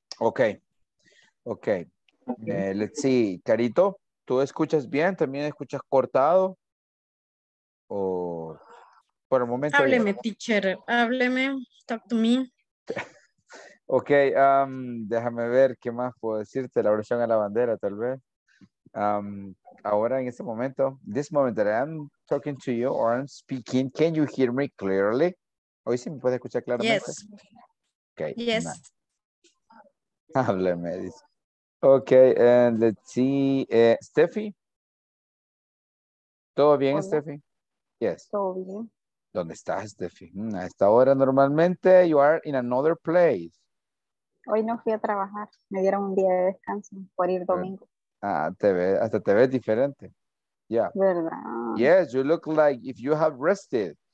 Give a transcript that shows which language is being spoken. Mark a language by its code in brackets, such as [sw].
[en] Okay. Let's see, [es] Carito, ¿tú escuchas bien? ¿También escuchas cortado? O por el momento. Hábleme, ya. Teacher, hábleme, [en] talk to me. [es] Okay, déjame ver qué más puedo decirte, la oración a la bandera, tal vez. Ahora en este momento, [en] this moment that I'm talking to you or I'm speaking, can you hear me clearly? [es] ¿Hoy sí me puede escuchar claramente? [en] Yes. Okay. Yes. Nah. [es] Hábleme. [en] Okay, and let's see. Steffi. [es] ¿Todo bien, hola. [en] Steffi? Yes. [es] Todo bien. ¿Dónde estás, Steffi? A esta hora normalmente [en] you are in another place. [es] Hoy no fui a trabajar. Me dieron un día de descanso por ir domingo. Ah, te ve, hasta te ves diferente. Yeah. ¿Verdad? [en] Yes, you look like if you have rested.